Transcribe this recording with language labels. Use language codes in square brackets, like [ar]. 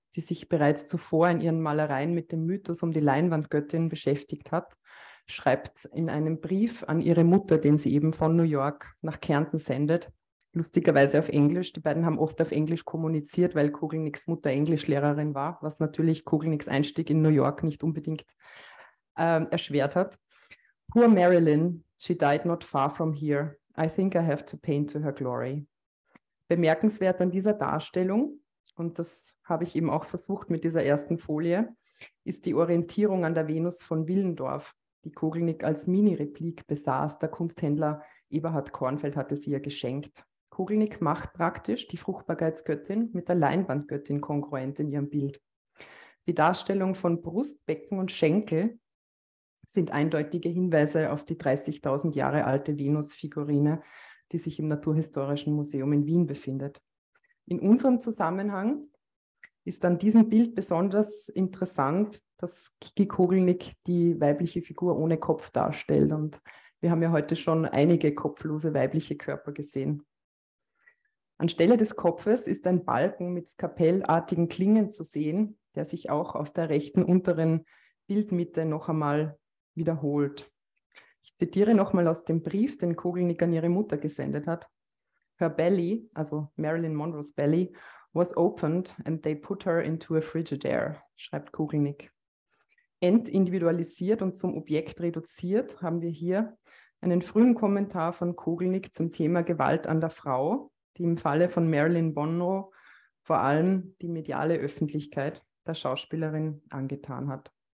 [de] die sich bereits zuvor in ihren Malereien mit dem Mythos um die Leinwandgöttin beschäftigt hat, schreibt in einem Brief an ihre Mutter, den sie eben von New York nach Kärnten sendet, lustigerweise auf Englisch. Die beiden haben oft auf Englisch kommuniziert, weil Kugelnicks Mutter Englischlehrerin war, was natürlich Kugelnicks Einstieg in New York nicht unbedingt erschwert hat. [en] Poor Marilyn, she died not far from here. I think I have to paint to her glory. [de] Bemerkenswert an dieser Darstellung, und das habe ich eben auch versucht mit dieser ersten Folie, ist die Orientierung an der Venus von Willendorf, die Kugelnick als Mini-Replik besaß. Der Kunsthändler Eberhard Kornfeld hatte sie ihr geschenkt. Kugelnick macht praktisch die Fruchtbarkeitsgöttin mit der Leinwandgöttin kongruent in ihrem Bild. Die Darstellung von Brust, Becken und Schenkel sind eindeutige Hinweise auf die 30.000 Jahre alte Venus-Figurine, die sich im Naturhistorischen Museum in Wien befindet. In unserem Zusammenhang ist an diesem Bild besonders interessant, dass Kiki Kugelnick die weibliche Figur ohne Kopf darstellt. Und wir haben ja heute schon einige kopflose weibliche Körper gesehen. Anstelle des Kopfes ist ein Balken mit skapellartigen Klingen zu sehen, der sich auch auf der rechten unteren Bildmitte noch einmal wiederholt. Ich zitiere nochmal aus dem Brief, den Kugelnick an ihre Mutter gesendet hat. [en] Her belly, also Marilyn Monroe's belly, was opened and they put her into a Frigidaire, [de] schreibt Kugelnick. Entindividualisiert und zum Objekt reduziert haben wir hier einen frühen Kommentar von Kugelnick zum Thema Gewalt an der Frau, die im Falle von Marilyn Monroe vor allem die mediale Öffentlichkeit der Schauspielerin angetan hat.